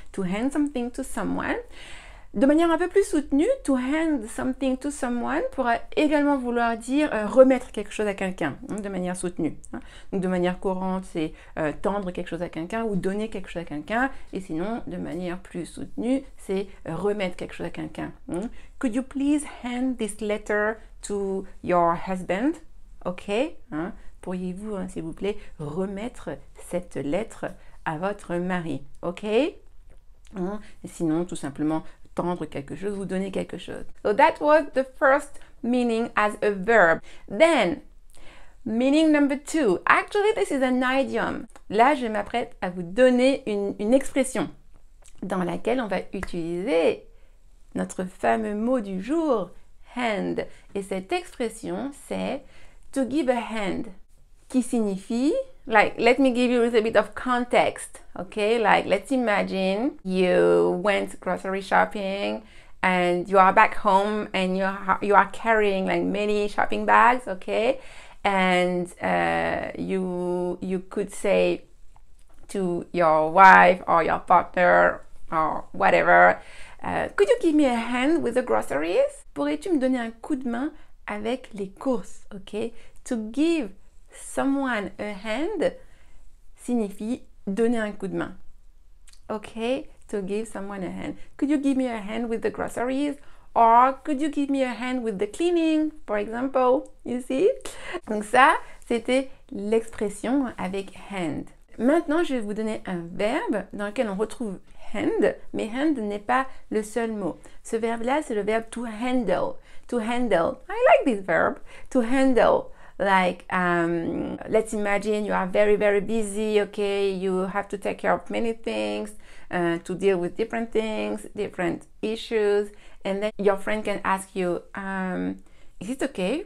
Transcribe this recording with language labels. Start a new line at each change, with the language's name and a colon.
English: To hand something to someone.
French: De manière un peu plus soutenue,
English: to hand something to someone
French: pourra également vouloir dire remettre quelque chose à quelqu'un, hein, de manière soutenue. Hein. Donc de manière courante, c'est tendre quelque chose à quelqu'un ou donner quelque chose à quelqu'un. Et sinon, de manière plus soutenue, c'est remettre quelque chose à quelqu'un. Hein.
English: Could you please hand this letter to your husband?
French: Ok, hein, pourriez-vous, hein, s'il vous plaît, remettre cette lettre à votre mari? Ok, hein, sinon, tout simplement, tendre quelque chose, vous donner quelque chose.
English: So that was the first meaning as a verb. Then, meaning number two. Actually, this is an idiom.
French: Là, je m'apprête à vous donner une expression dans laquelle on va utiliser notre fameux mot du jour, hand. Et cette expression, c'est
English: to give a hand,
French: qui signifie,
English: like, let me give you a little bit of context, okay? Like, let's imagine you went grocery shopping and you are back home and you are carrying like many shopping bags, okay? And you could say to your wife or your partner or whatever, could you give me a hand with the groceries?
French: Pourrais-tu me donner un coup de main avec les courses, okay?
English: To give someone a hand
French: signifie donner un coup de main.
English: Ok, to give someone a hand. Could you give me a hand with the groceries? Or could you give me a hand with the cleaning, for example? You see?
French: Donc ça, c'était l'expression avec hand. Maintenant, je vais vous donner un verbe dans lequel on retrouve hand, mais hand n'est pas le seul mot. Ce verbe-là, c'est le verbe to handle.
English: To handle. I like this verb. To handle. Like, let's imagine you are very, very busy, okay? You have to take care of many things, to deal with different things, different issues. And then your friend can ask you, is it okay?